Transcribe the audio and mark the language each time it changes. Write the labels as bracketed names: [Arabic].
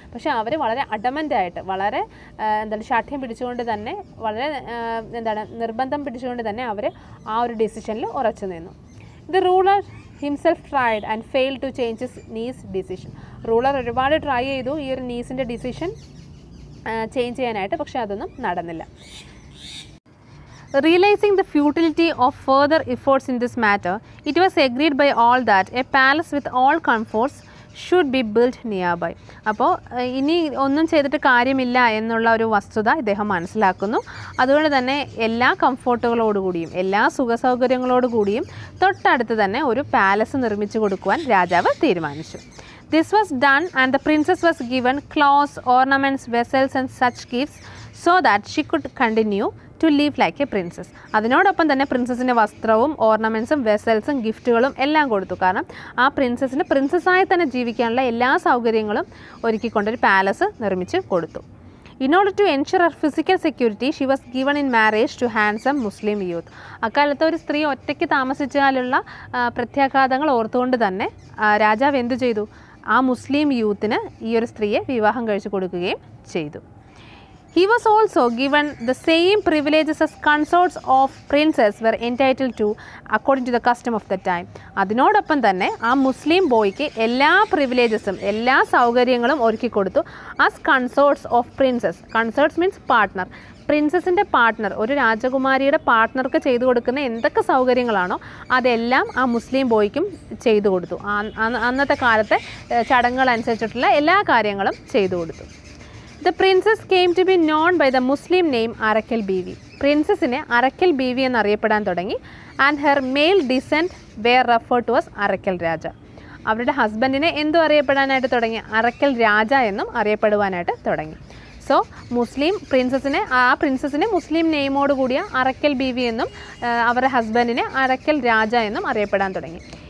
[Malayalam] പക്ഷേ അവർ വളരെ അഡമൻ്റ് ആയിട്ട്, വളരെ എന്താണ് ശാഠ്യം പിടിച്ചുകൊണ്ട് തന്നെ, വളരെ എന്താണ് നിർബന്ധം പിടിച്ചുകൊണ്ട് തന്നെ അവർ ആ ഒരു ഡിസിഷനിൽ ഉറച്ചു നിന്നു. [English] The ruler himself tried and fail to change his niece's decision. [Malayalam] Ruler ഒരുപാട് ട്രൈ ചെയ്തു ഈ ഒരു നീസിൻ്റെ ഡിസിഷൻ ചേഞ്ച് ചെയ്യാനായിട്ട്, പക്ഷേ അതൊന്നും നടന്നില്ല. [English] Realizing the futility of further efforts in this matter, it was agreed by all that a palace with all comforts should be built nearby. [Malayalam] അപ്പോൾ ഇനി ഒന്നും ചെയ്തിട്ട് കാര്യമില്ല എന്നുള്ള ഒരു വസ്തുത ഇദ്ദേഹം മനസ്സിലാക്കുന്നു. അതുകൊണ്ട് തന്നെ എല്ലാ കംഫോർട്ടുകളോടുകൂടിയും എല്ലാ സുഖസൗകര്യങ്ങളോടുകൂടിയും തൊട്ടടുത്ത് തന്നെ ഒരു പാലസ് നിർമ്മിച്ചു കൊടുക്കുവാൻ രാജാവ് തീരുമാനിച്ചു. [English] This was done and the princess was given clothes, ornaments, vessels and such gifts so that she could continue to live like a princess. [Malayalam] അതിനോടൊപ്പം തന്നെ പ്രിൻസസ്സിൻ്റെ വസ്ത്രവും ഓർണമെൻസും വെസൽസും ഗിഫ്റ്റുകളും എല്ലാം കൊടുത്തു. കാരണം ആ പ്രിൻസസ്സിൻ്റെ പ്രിൻസസ്സായി തന്നെ ജീവിക്കാനുള്ള എല്ലാ സൗകര്യങ്ങളും ഒരുക്കിക്കൊണ്ടൊരു പാലസ് നിർമ്മിച്ച് കൊടുത്തു. [English] In order to ensure her physical security she was given in marriage to handsome Muslim youth. [Malayalam] അക്കാലത്ത് ഒരു സ്ത്രീ ഒറ്റയ്ക്ക് താമസിച്ചാലുള്ള പ്രത്യാഘാതങ്ങൾ ഓർത്തുകൊണ്ട് തന്നെ രാജാവ് എന്തു ചെയ്തു, ആ മുസ്ലിം യൂത്തിന് ഈ ഒരു സ്ത്രീയെ വിവാഹം കഴിച്ചു കൊടുക്കുകയും ചെയ്തു. [English] He was also given the same privileges as consorts of princes were entitled to according to the custom of the time. [Malayalam] അതിനോടൊപ്പം തന്നെ ആ മുസ്ലിം ബോയ്ക്ക് എല്ലാ പ്രിവിലേജസും എല്ലാ സൗകര്യങ്ങളും ഒരുക്കി കൊടുത്തു. [English] As consorts of princes, consorts means partner, [Malayalam] പ്രിൻസസിൻ്റെ partner, ഒരു രാജകുമാരിയുടെ പാർട്ണർക്ക് ചെയ്തു കൊടുക്കുന്ന എന്തൊക്കെ സൗകര്യങ്ങളാണോ അതെല്ലാം ആ മുസ്ലിം ബോയ്ക്കും ചെയ്തു കൊടുത്തു. അന്നത്തെ കാലത്തെ ചടങ്ങുകളനുസരിച്ചിട്ടുള്ള എല്ലാ കാര്യങ്ങളും ചെയ്തു കൊടുത്തു. [English] The princess came to be known by the Muslim name Arakkal Beevi. [Malayalam] പ്രിൻസസ്സിനെ അരക്കൽ ബീവി എന്നറിയപ്പെടാൻ തുടങ്ങി. [English] And her male descent were referred to was Arakkal Raja. [Malayalam] അവരുടെ ഹസ്ബൻഡിനെ എന്തും അറിയപ്പെടാനായിട്ട് തുടങ്ങി, അരക്കൽ രാജ എന്നും അറിയപ്പെടുവാനായിട്ട് തുടങ്ങി. സോ മുസ്ലിം പ്രിൻസസ്സിനെ, ആ പ്രിൻസസ്സിനെ മുസ്ലിം നെയിമോടുകൂടിയ അരക്കൽ ബീവി എന്നും അവരുടെ ഹസ്ബൻഡിനെ അരക്കൽ രാജ എന്നും അറിയപ്പെടാൻ തുടങ്ങി.